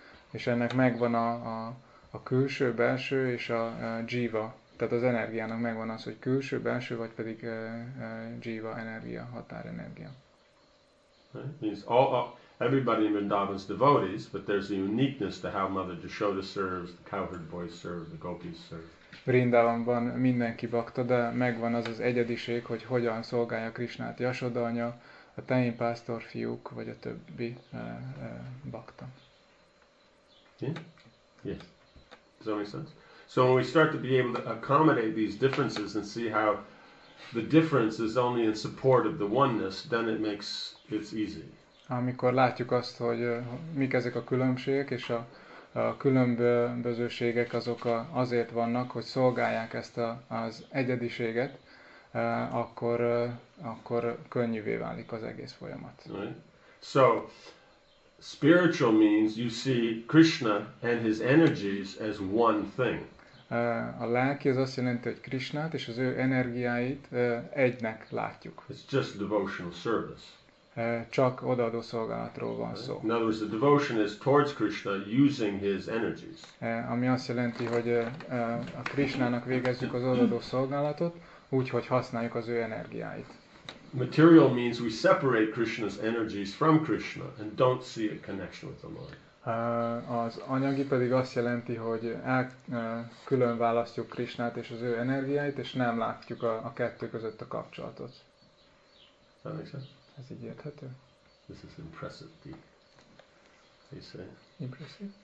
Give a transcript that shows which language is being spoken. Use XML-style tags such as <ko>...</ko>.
<hu>És ennek megvan a külső, belső és a jiva, tehát az energiának megvan az, hogy külső, belső, vagy pedig jiva energia, határenergia.</hu> <en>Right. Means everybody in Vrindavan's devotees, but there's a uniqueness to how Mother Jashoda serves, the cowherd boys serve, the gopis serve.</en> <hu>Vrindavanban mindenki bakta, de megvan az az egyediség, hogy hogyan szolgálja Krisnát Jashoda anya, a tehénpásztor fiúk, vagy a többi bakta.</hu> <en>Yeah? Yes. Does that make sense? So when we start to be able to accommodate these differences and see how the difference is only in support of the oneness, then it makes it's easy.</en> <hu>Amikor látjuk azt, hogy mik ezek a különbségek, és a különbözőségek azok azért vannak, hogy szolgálják ezt az egyediséget, akkor könnyűvé válik az egész folyamat.</hu> <en>Right. So spiritual means you see Krishna and his energies as one thing.</en> <hu>A lelki az azt jelenti, hogy Krishnát és az ő energiáit egynek látjuk.</hu> <en>It's just devotional service.</en> <hu>Csak odaadó szolgálatról van szó.</hu> <en>In other words, the devotion is towards Krishna using his energies.</en> <hu>Ami azt jelenti, hogy a Krishnának végezzük az odaadó szolgálatot, úgy, hogy használjuk az ő energiáit.</hu> <en>Material means we separate Krishna's energies from Krishna and don't see a connection with the Lord.</en> <hu>Az anyagi pedig azt jelenti, hogy külön választjuk Krishnát és az ő energiáit, és nem látjuk a kettő között a kapcsolatot.</hu> <en>That makes sense?</en> <hu>Ez így érthető?</hu> <en>This is impressive, Deep. What do you say? Impressive?</en>